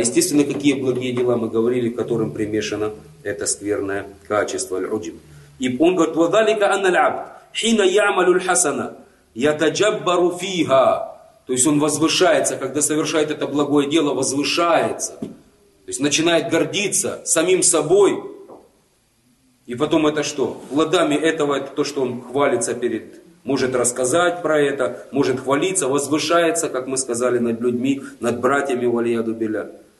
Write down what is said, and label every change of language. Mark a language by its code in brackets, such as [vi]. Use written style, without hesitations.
[ru] Естественно, какие благие дела мы говорили, которым примешано это скверное качество аль-уджб. И он говорит, [ar] وَذَلِكَ أَنَّ الْعَبْدْ حِنَ يَعْمَلُ الْحَسَنَ يَتَجَبَّرُ فِيهَا. [ru] То есть он возвышается, когда совершает это благое дело, возвышается. То есть начинает гордиться самим собой. И потом это что? Плодами этого это то, что он хвалится перед... Может рассказать про это, может хвалиться, возвышается, как мы сказали, над людьми, над братьями Валияду Беля.